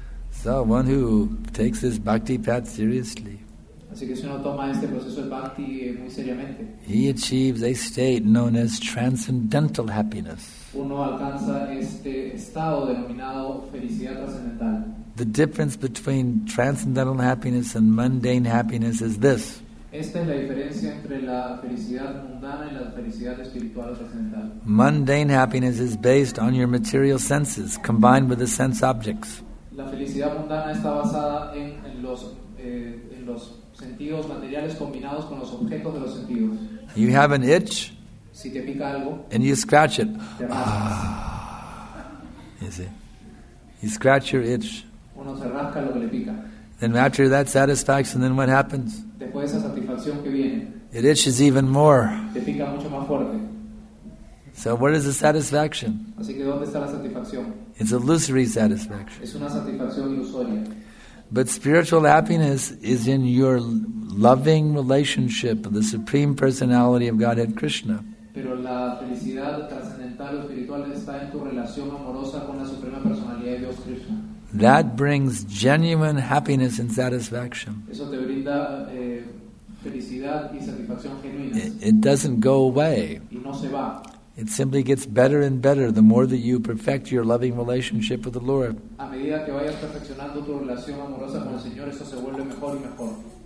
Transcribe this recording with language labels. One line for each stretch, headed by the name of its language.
English: So one who takes this bhakti path seriously,
Spanish: así que si uno toma este proceso de bhakti muy seriamente,
English: he achieves a state known as transcendental happiness.
Spanish: Uno alcanza este estado denominado felicidad trascendental.
English: The difference between transcendental happiness and mundane happiness is this.
Spanish: Esta es la diferencia entre la felicidad mundana y la felicidad espiritual trascendental.
English: Mundane happiness is based on your material senses combined with the sense objects.
Spanish: La felicidad mundana está basada en los sentidos materiales combinados con los objetos de los sentidos.
English: You have an itch.
Spanish: Si te pica algo.
English: And you scratch it. Ah, you see. You scratch your itch.
Spanish: Uno se rasca lo que le pica.
English: Then after that satisfaction, then what happens?
Spanish: Después de esa satisfacción que viene.
English: It itches even more.
Spanish: Te pica mucho más fuerte.
English: So where is the satisfaction?
Spanish: Así que ¿dónde está la satisfacción?
English: It's illusory satisfaction.
Spanish: Es una satisfacción ilusoria.
English: But spiritual happiness is in your loving relationship with the Supreme Personality of Godhead Krishna.
Spanish: Pero la felicidad trascendental o espiritual está en tu relación amorosa con la Suprema Personalidad de Dios Krishna.
English: That brings genuine happiness and satisfaction.
Spanish: Eso te brinda, felicidad y satisfacción genuinas.
English: It doesn't go away.
Spanish: Y no se va.
English: It simply gets better and better the more that you perfect your loving relationship with the Lord.
Spanish: A medida que vayas perfeccionando tu relación amorosa con el Señor, eso se vuelve mejor y mejor.